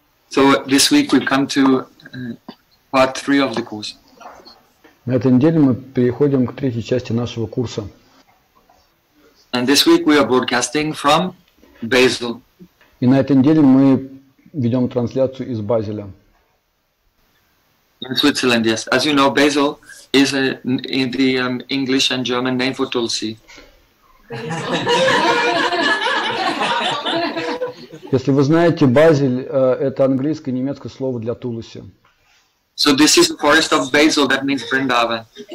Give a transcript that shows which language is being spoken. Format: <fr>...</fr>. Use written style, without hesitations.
<en>So this week we come to part 3 of the course.</en> <ru>На этой неделе мы переходим к третьей части нашего курса.</ru> <en>And this week we are broadcasting from Basel.</en> <ru>И на этой неделе мы ведем трансляцию из Базеля.</ru> <en>In Switzerland, yes. As you know, Basel is a, in the English and German name for Tulsi.</en> <ru>Если вы знаете, Базель это английское и немецкое слово для Тулуси.</ru> <en>So this is the forest of Basel, that means Vrindavan.</en>